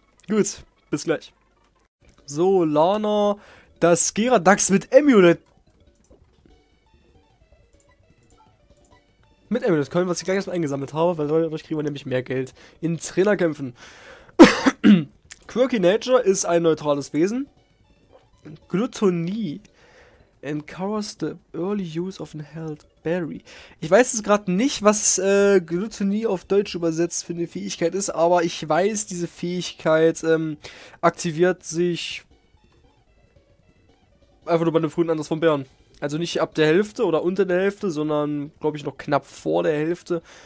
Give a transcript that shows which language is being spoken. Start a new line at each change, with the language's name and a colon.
German: Gut, bis gleich. So, Lana, das Geradax mit Amulet. Mit Amulet können, was ich gleich erstmal eingesammelt habe, weil dadurch kriegen wir nämlich mehr Geld in Trainerkämpfen. Quirky Nature ist ein neutrales Wesen.
English: Gluttonie. Encourages the early use of an held berry.
German: Ich weiß es gerade nicht, was Gluttonie auf Deutsch übersetzt für eine Fähigkeit ist, aber ich weiß, diese Fähigkeit aktiviert sich einfach nur bei einem frühen Anlass von Bären. Also nicht ab der Hälfte oder unter der Hälfte, sondern glaube ich noch knapp vor der Hälfte.